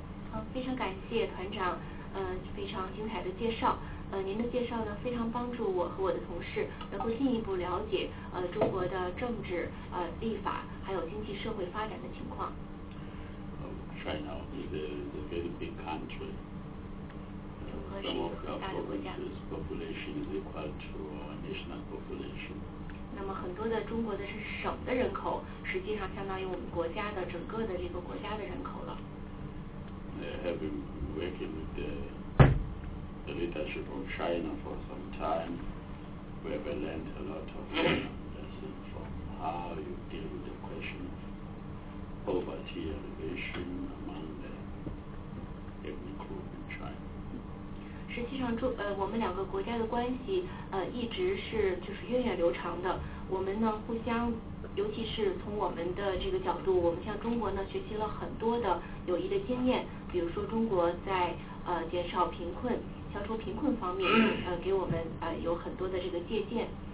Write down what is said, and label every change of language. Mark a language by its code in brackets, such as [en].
[zh] 好，非常感谢团长，非常精彩的介绍。您的介绍呢，非常帮助我和我的同事能够进一步了解中国的政治、立法还有经济社会发展的情况。 [en] China is a very big country. Some of our provinces' population is equal to our national population. [zh] 那么很多的中国的是省的人口，实际上相当于我们国家的整个的这个国家的人口了。 [en] I have been working with the leadership of China for some time. We have learned a lot of lessons from how you deal with the question of poverty elevation among the ethnic group in China. [zh] 实际上我们两个国家的关系一直是就是源远流长的，我们呢互相，尤其是从我们的这个角度，我们向中国呢学习了很多的友谊的经验，比如说中国在减少贫困、消除贫困方面给我们有很多的这个借鉴。